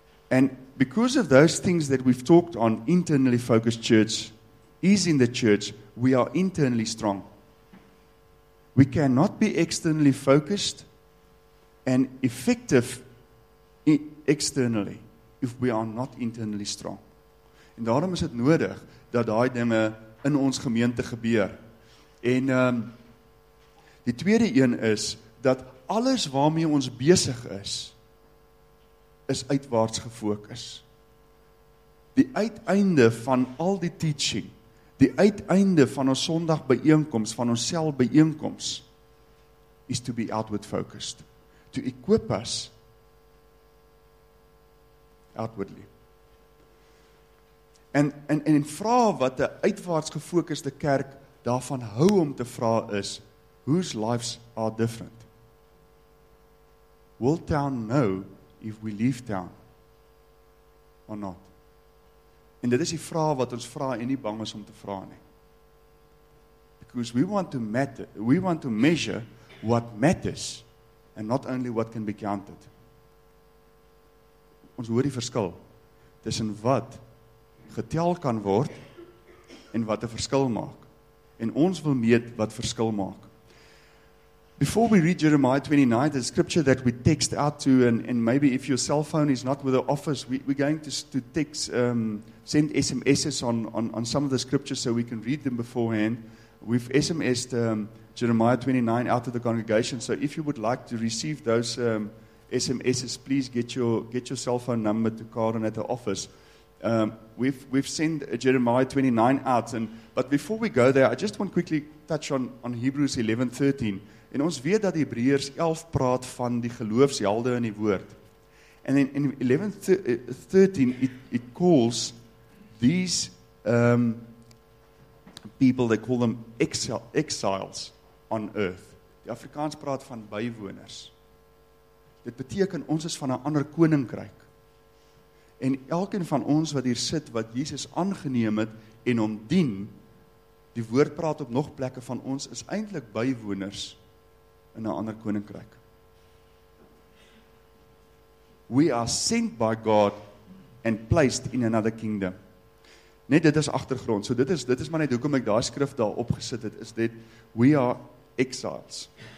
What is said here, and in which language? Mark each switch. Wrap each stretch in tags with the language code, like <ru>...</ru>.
<en>And because of those things that we've talked on, internally focused church is in the church, we are internally strong. We cannot be externally focused and effective externally if we are not internally strong.</en> <af>En daarom is dit nodig dat daai dinge in ons gemeente gebeur. En die tweede een is, dat alles waarmee ons besig is, is uitwaarts gefokus. Die uiteinde van al die teaching, die uiteinde van ons Sondag byeenkomst, van ons sel byeenkomst, is</af> <en>to be outward focused. To equip us outwardly.</en> <af>En vra wat die uitwaarts gefokuste kerk daarvan hou om te vra is,</af> <en>whose lives are different? Will town know if we leave town or not?</en> <af>En dit is die vraag wat ons vra en nie bang is om te vra nie.</af> <en>Because we want to measure what matters and not only what can be counted.</en> <af>Ons hoor die verskil tussen wat getel kan word en wat 'n verskil maak. En ons wil meet wat verskil maak.</af> <en>Before we read Jeremiah 29, the scripture that we text out to, and maybe if your cell phone is not with the office, we're going to text, send SMSs on some of the scriptures so we can read them beforehand. We've SMSed Jeremiah 29 out to the congregation, so if you would like to receive those SMSs, please get your cell phone number to Karen at the office. We've sent Jeremiah 29 out, but before we go there, I just want to quickly touch on Hebrews 11:13.</en> <af>En ons weet dat Hebreërs 11 praat van die geloofshelde in die woord.</af> <en>And then in 11:13 it calls these people, they call them exiles on earth.</en> <af>Die Afrikaans praat van bywoners. Dit beteken ons is van 'n ander koninkryk. En elkeen van ons wat hier sit, wat Jesus aangeneem het en hom dien, die woord praat op nog plekke van ons is eintlik bywoners in 'n ander koninkryk.</af> <en>We are sent by God and placed in another kingdom.</en> <af>Net dit is agtergrond. So dit is maar net hoekom ek daai skrif daar opgesit het, is dit</af> <en>we are exiles.</en>